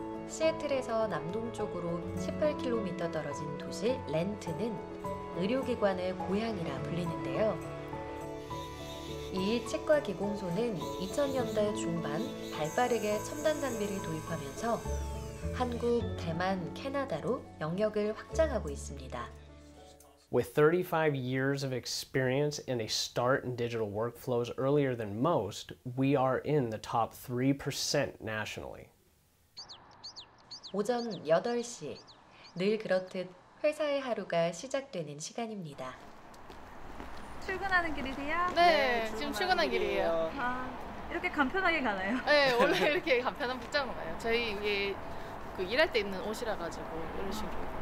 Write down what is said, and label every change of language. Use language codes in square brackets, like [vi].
[ko] 시애틀에서 남동쪽으로 18km 떨어진 도시 렌트는 의료기관의 고향이라 불리는데요. 이 치과 기공소는 2000년대 중반 발빠르게 첨단 장비를 도입하면서 한국, 대만, 캐나다로 영역을 확장하고 있습니다. [en] With 35 years of experience and a start in digital workflows earlier than most, we are in the top 3% nationally. [ko] 오전 8시, 늘 그렇듯 회사의 하루가 시작되는 시간입니다. 출근하는 길이세요? 네, 네 지금 출근한 길이에요. 아, 이렇게 간편하게 가나요? 네, 원래 이렇게 간편한 복장으로 가요. 저희 이게 그 일할 때 입는 옷이라 가지고 이런 식으로.